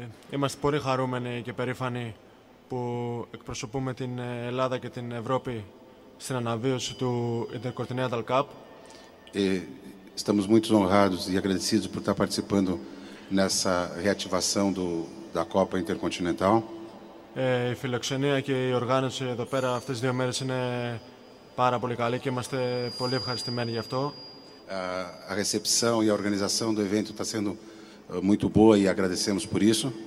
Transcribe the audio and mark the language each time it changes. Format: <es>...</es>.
<el>Είμαστε πολύ χαρούμενοι και περήφανοι που εκπροσωπούμε την Ελλάδα και την Ευρώπη στην αναβίωση του Intercontinental Cup.</el> <pt>Estamos muito honrados e agradecidos por estar participando nessa reativação da Copa Intercontinental.</pt> <el>Η φιλοξενία και η οργάνωση εδώ πέρα αυτές τις δύο μέρες είναι πάρα πολύ καλή και είμαστε πολύ ευχαριστημένοι γι' αυτό.</el> <pt>A recepção e a organização do evento está sendo muito boa e agradecemos por isso.</pt>